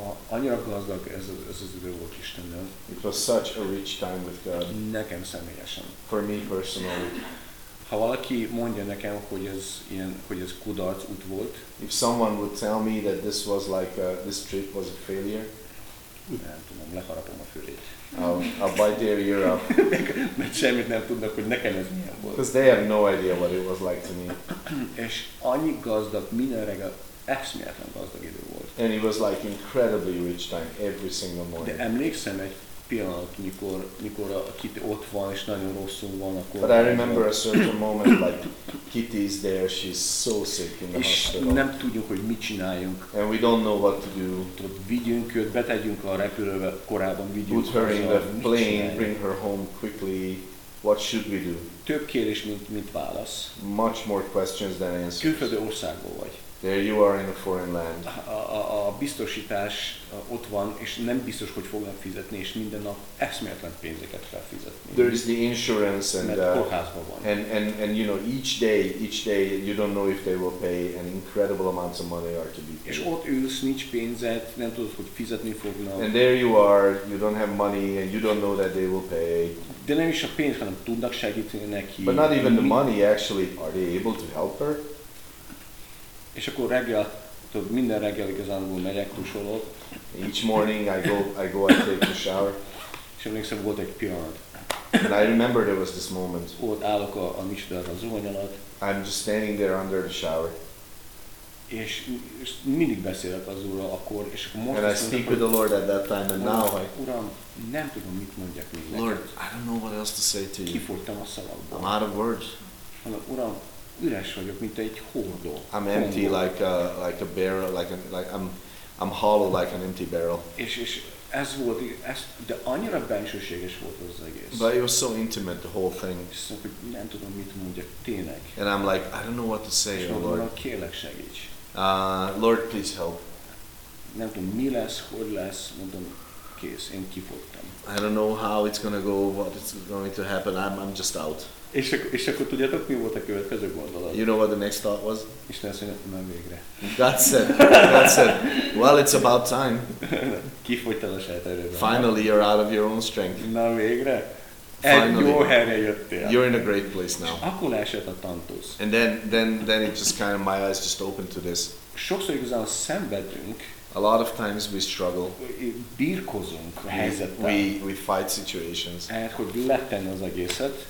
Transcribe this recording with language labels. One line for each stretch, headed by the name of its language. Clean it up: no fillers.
Hungarian: Annyira gazdag ez az idő volt Istennel.
English: It was such a rich time with God.
Hungarian: Nekem személyesen.
English: For me personally.
Hungarian: Ha valaki mondja nekem, hogy ez ilyen, hogy ez kudarc út volt.
English: If someone would tell me that this was like this trip was a failure.
Hungarian: Nem tudom, leharapom a fülét.
English: I'll bite their ear off.
Hungarian: Mert semmit nem tudnak, hogy nekem ez milyen volt.
English: Because they have no idea what it was like to me.
Hungarian: És annyi gazdag minden reggel. Eszméletlen gazdag idő volt.
English: And it was like incredibly rich time every single morning.
Hungarian: De emlékszem egy pillanat, mikor a Kitty ott van és nagyon rosszul van, akkor.
English: But I remember a certain moment like Kitty is there, she's so sick in the hospital.
Hungarian: Nem tudjuk, hogy mit csináljunk.
English: And we don't know what to do.
Hungarian: Tehát vigyünk őt, betegyünk a repülőbe, korábban vigyünk.
English: Put her in the plane, bring her home quickly. What should we do?
Hungarian: Több kérdés, mint válasz.
English: Much more questions than answers.
Hungarian: Külföldi országból vagy.
English: There you are in a foreign land.
Hungarian: A biztosítás ott van, és nem biztos, hogy fognak fizetni, és minden nap eszméletlen pénzeket kell fizetni.
English: There is the insurance and
Hungarian: kórházban van.
English: And you know each day you don't know if they will pay an incredible amount of money or to be paid.
Hungarian: És ott ülsz, nincs pénzed, nem tudod, hogy fizetni fognak.
English: And there you are, you don't have money and you don't know that they will pay.
Hungarian: De nem is a pénz, hanem tudnak segíteni neki.
English: But not even the money actually, are they able to help her?
Hungarian: És akkor reggel, tudod, minden reggel igazából megyek, tusolok.
English: Each morning I go and take a shower.
Hungarian: És emlékszem, volt egy pillanat.
English: And I remember there was this moment.
Hungarian: Ott állok a micsodát a zuhany alatt.
English: I'm just standing there under the shower.
Hungarian: És mindig beszélek az Úrral akkor, és most
English: and I speak
Hungarian: mondtam,
English: with the Lord at that time and now I...
Hungarian: Uram, nem tudom, mit mondjak még neked.
English: Lord, I don't know what else to say to you.
Hungarian: Kifogytam a szavakból.
English: I'm out of words.
Hungarian: Mondom, Uram, üres vagyok, mint egy hordó.
English: I'm empty like a bear, like I'm I'm hollow like an empty barrel.
Hungarian: És ez volt, ez, de annyira bensőséges volt az egész.
English: But it was so intimate, the whole thing.
Hungarian: Szóval nem tudom, mit mondjak, tényleg.
English: And I'm like, I don't know what to say,
Hungarian: és
English: Lord.
Hungarian: Mondom, kérlek, segíts.
English: Lord, please help.
Hungarian: Nem tudom, mi lesz, hogy lesz, mondom, kész, én kifogtam.
English: I don't know how it's gonna go, what it's going to happen, I'm just out.
Hungarian: És akkor tudjátok, mi volt a következő gondolat?
English: You know what the next thought was?
Hungarian: Isten szerint nem végre.
English: God said, well, it's about time.
Hungarian: Kifogytál a saját erőben.
English: Finally, you're out of your own strength.
Hungarian: Na végre.
English: Finally,
Hungarian: jó helyre jöttél.
English: You're in a great place now.
Hungarian: És akkor leesett a tantusz.
English: And then it just kind of, my eyes just opened to this.
Hungarian: Sokszor igazán szenvedünk.
English: A lot of times we struggle.
Hungarian: Birkozunk helyzettel.
English: We fight situations.
Hungarian: Ehhez, hogy letenni az egészet.